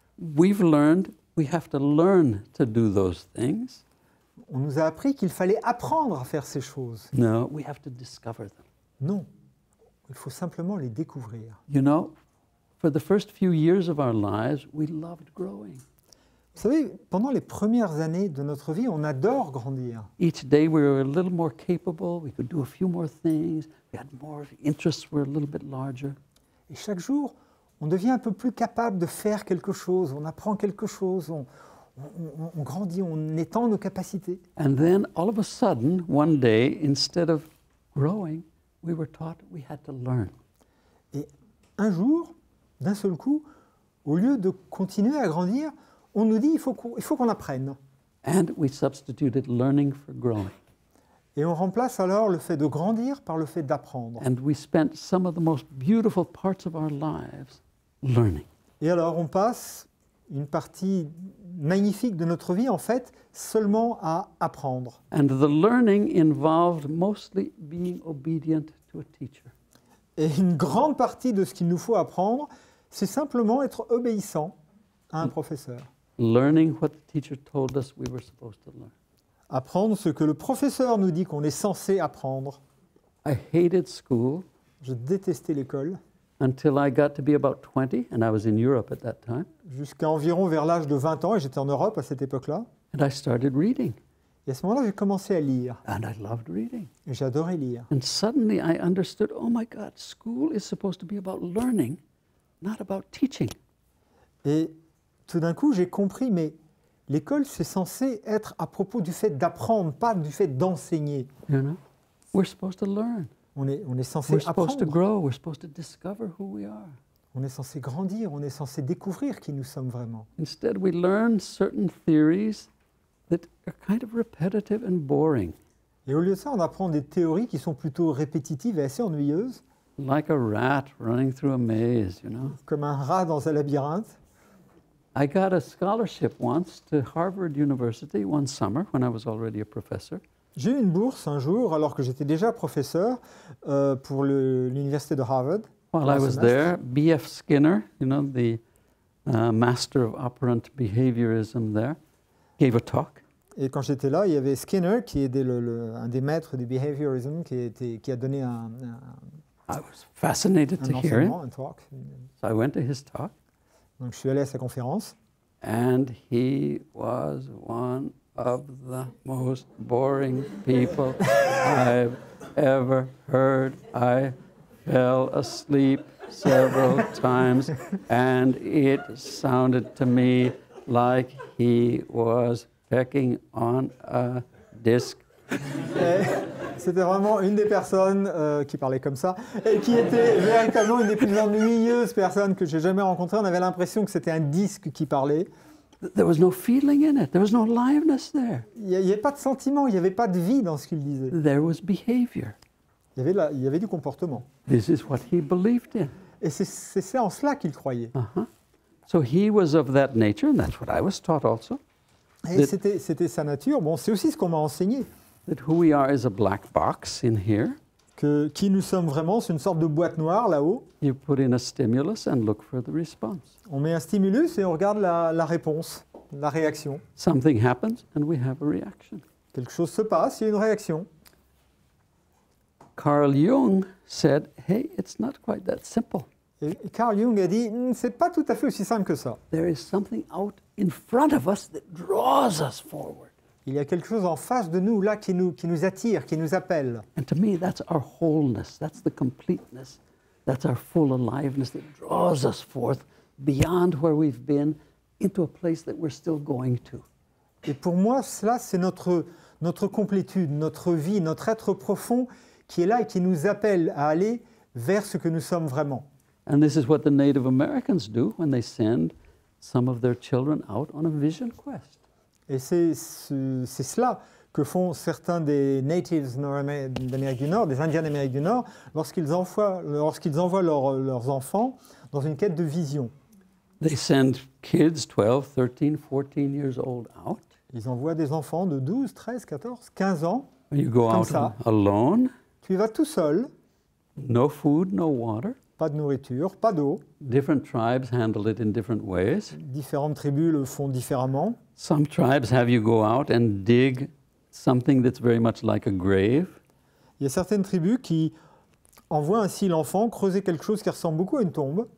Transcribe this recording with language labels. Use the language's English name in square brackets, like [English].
[English] We've learned we have to learn to do those things. [French] On nous a appris qu'il fallait apprendre à faire ces choses. [English] No, we have to discover them. [French] Non, il faut simplement les découvrir. [English] You know, for the first few years of our lives, we loved growing. [French] Vous savez, pendant les premières années de notre vie, on adore grandir. [English] Each day we were a little more capable, we could do a few more things, we had more interests, were a little bit larger. [French] Et chaque jour, on devient un peu plus capable de faire quelque chose, on apprend quelque chose, on grandit, on étend nos capacités. [English] And then all of a sudden, one day, instead of growing, we were taught we had to learn. [French] Et un jour, d'un seul coup, au lieu de continuer à grandir, on nous dit il faut qu'on apprenne. [English] And we substituted learning for growing. [French] Et on remplace alors le fait de grandir par le fait d'apprendre. [English] And we spent some of the most beautiful parts of our lives learning. [French] Et alors on passe une partie magnifique de notre vie en fait seulement à apprendre. [English] And the learning involved mostly being obedient to a teacher. [French] Et une grande partie de ce qu'il nous faut apprendre, c'est simplement être obéissant à un professeur. [English] Learning what the teacher told us we were supposed to learn. [French] Apprendre ce que le professeur nous dit qu'on est censé apprendre. [English] I hated school. [French] Je détestais l'école. [English] Until I got to be about 20 and I was in Europe at that time. [French] Jusqu'à environ vers l'âge de 20 ans et j'étais en Europe à cette époque-là. [English] And I started reading. [French] Et à ce moment-là, j'ai commencé à lire. [English] And I loved reading. [French] Et j'adorais lire. [English] And suddenly I understood, oh my God, school is supposed to be about learning, not about teaching. [French] Et tout d'un coup, j'ai compris, mais l'école, c'est censé être à propos du fait d'apprendre, pas du fait d'enseigner. [English] You know? We're supposed to learn. [French] On est censé apprendre. [English] We're supposed to grow. We're supposed to discover who we are. [French] On est censé grandir. On est censé découvrir qui nous sommes vraiment. [English] Instead, we learn certain theories that are kind of repetitive and boring. [French] Et au lieu de ça, on apprend des théories qui sont plutôt répétitives et assez ennuyeuses. [English] Like a rat running through a maze, you know. [French] Comme un rat dans un labyrinthe. [English] I got a scholarship once to Harvard University one summer when I was already a professor. [French] J'ai eu une bourse un jour alors que j'étais déjà professeur pour l'université de Harvard. [English] While I was there, B.F. Skinner, you know, the master of operant behaviorism there, gave a talk. [French] Et quand j'étais là, il y avait Skinner qui était un des maîtres du behaviorism qui a donné [English] I was fascinated to hear him. [French] Un talk. [English] So I went to his talk. [French] Donc je suis allé à sa conférence. [English] And he was one of the most boring people I've ever heard. I fell asleep several times and it sounded to me like he was pecking on a disc. [French] C'était vraiment une des personnes qui parlait comme ça et qui était véritablement une des plus ennuyeuses personnes que j'ai jamais rencontrées. On avait l'impression que c'était un disque qui parlait. [English] There was no feeling in it. There was no aliveness there. [French] Il n'y avait pas de sentiment, il n'y avait pas de vie dans ce qu'il disait. [English] There was behavior. [French] Il y avait du comportement. [English] This is what he believed in. [French] Et c'est en cela qu'il croyait. [English] So he was of that nature, and that's what I was taught also. [French] Et c'était sa nature. Bon, c'est aussi ce qu'on m'a enseigné. [English] That who we are is a black box in here. [French] Que qui nous sommes vraiment, c'est une sorte de boîte noire là-haut. [English] You put in a stimulus and look for the response. [French] On met un stimulus et on regarde la réponse, la réaction. [English] Something happens and we have a reaction. [French] Quelque chose se passe, il y a une réaction. [English] Carl Jung said, "Hey, it's not quite that simple." [French] Et Carl Jung a dit, c'est pas tout à fait aussi simple que ça. [English] There is something out in front of us that draws us forward. [French] Il y a quelque chose en face de nous, là, qui nous attire, qui nous appelle. [English] And to me, that's our wholeness, that's the completeness, that's our full aliveness that draws us forth beyond where we've been into a place that we're still going to. [French] Et pour moi, cela, c'est notre complétude, notre vie, notre être profond qui est là et qui nous appelle à aller vers ce que nous sommes vraiment. [English] And this is what the Native Americans do when they send some of their children out on a vision quest. [French] Et c'est cela que font certains des natives d'Amérique du Nord, des Indiens d'Amérique du Nord, lorsqu'ils envoient leurs enfants dans une quête de vision. [English] They send kids 12, 13, 14 years old out. [French] Ils envoient des enfants de 12, 13, 14, 15 ans. [English] You go [French] comme [English] out [French] ça. [English] Alone. [French] Tu y vas tout seul. [English] No food, no water. [French] Pas de nourriture, pas d'eau. [English] Different tribes handle it in different ways. [French] Différentes tribus le font différemment. [English] Some tribes have you go out and dig something that's very much like a grave. [French] Il y a certaines tribus qui envoient ainsi l'enfant creuser quelque chose qui ressemble beaucoup à une tombe.